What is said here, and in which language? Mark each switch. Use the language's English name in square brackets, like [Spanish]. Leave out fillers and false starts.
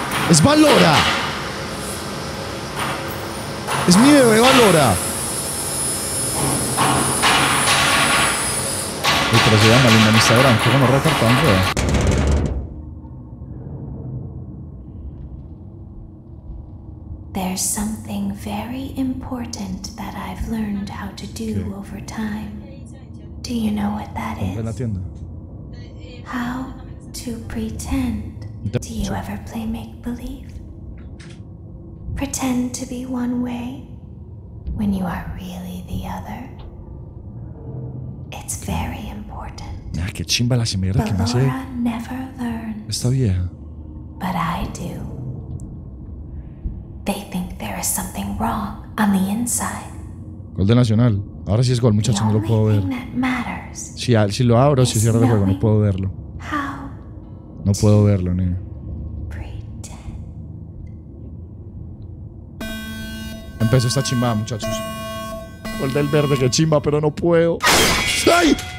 [Spanish] ¡Es Valora! ¡Es mi bebé Valora! Uy, pero se llama linda en Instagram, qué gonorrea tartando. [English] There's something very important that I've learned how to do over time. Do you know what that is? How to pretend. Do you ever play make-believe? Pretend to be one way when you are really the other. It's very important. But Laura never learns. [Spanish] Esta vieja. [English] But I do. They think there is something wrong on the inside. [Spanish] Gol de Nacional. Ahora sí es gol, muchacho, no lo puedo ver. Si, si lo abro, si cierro el juego, no puedo verlo. No puedo verlo, niña. Empezó esta chimba, muchachos. Gol del verde, que chimba, pero no puedo. ¡Ay!